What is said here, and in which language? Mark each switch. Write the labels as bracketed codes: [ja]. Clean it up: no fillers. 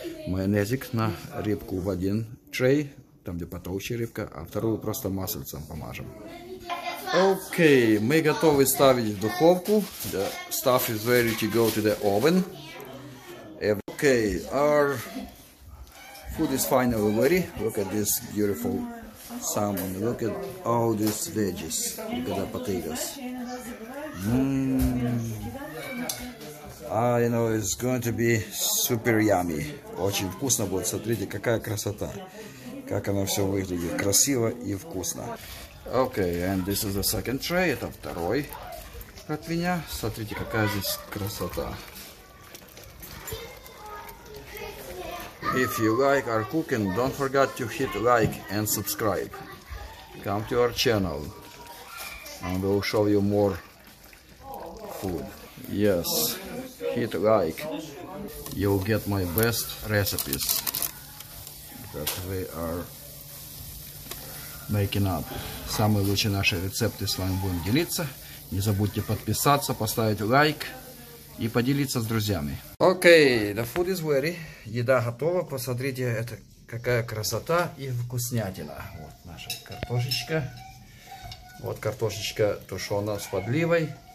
[ru] Майонезик на рыбку в один трей, там где потолще рыбка, а вторую просто маслицем помажем. Okay, мы готовы ставить в духовку. [en] The stuff is ready to go to the oven. Okay, our food is finally ready. Look at this beautiful salmon. Look at all these veggies. Look at the potatoes. I know it's going to be super yummy. [ru] Очень вкусно будет. Смотрите, какая красота. Как она все выглядит. Красиво и вкусно. [en] Okay, and this is the second tray. [ru] Это второй от меня. Смотрите, какая здесь красота. [en] If you like our cooking, don't forget to hit like and subscribe. Come to our channel and we'll show you more food. Yes, hit like. You'll get my best recipes that we are making up. [ru] Самые лучшие наши рецепты с вами будем делиться. Не забудьте подписаться, поставить лайк и поделиться с друзьями. [en] Okay, the food is ready. [ru] Еда готова. Посмотрите, это какая красота и вкуснятина. Вот наша картошечка. Вот картошечка тушена с подливой.